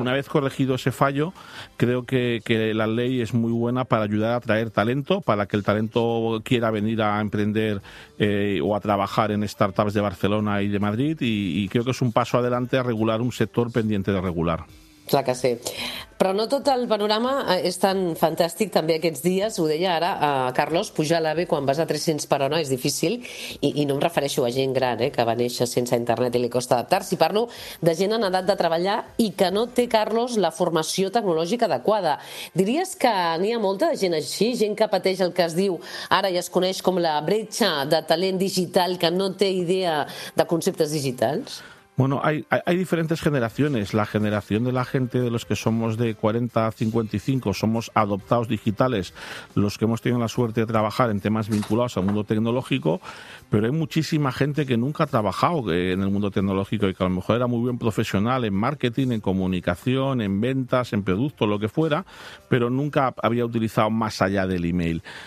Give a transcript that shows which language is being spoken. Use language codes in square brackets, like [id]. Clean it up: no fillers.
[es] Una vez corregido ese fallo, creo que la ley es muy buena para ayudar a atraer talento, para que el talento quiera venir a emprender o a trabajar en startups de Barcelona y de Madrid, y creo que es un paso adelante a regular un sector pendiente de regular. [ca] Clar que sí. Però no tot el panorama és tan fantàstic també aquests dies, ho deia ara Carlos, pujar a l'AVE quan vas a 300 per hora és difícil, i no em refereixo a gent gran que va néixer sense internet i li costa adaptar-s'hi, parlo de gent en edat de treballar i que no té, Carlos, la formació tecnològica adequada. Diries que n'hi ha molta de gent així, gent que pateix el que es diu, ara ja es coneix com la bretxa de talent digital, que no té idea de conceptes digitals? [es] Bueno, hay diferentes generaciones. La generación de la gente, de los que somos de 40 a 55, somos adoptados digitales, los que hemos tenido la suerte de trabajar en temas vinculados al mundo tecnológico, pero hay muchísima gente que nunca ha trabajado en el mundo tecnológico y que a lo mejor era muy bien profesional en marketing, en comunicación, en ventas, en productos, lo que fuera, pero nunca había utilizado más allá del email.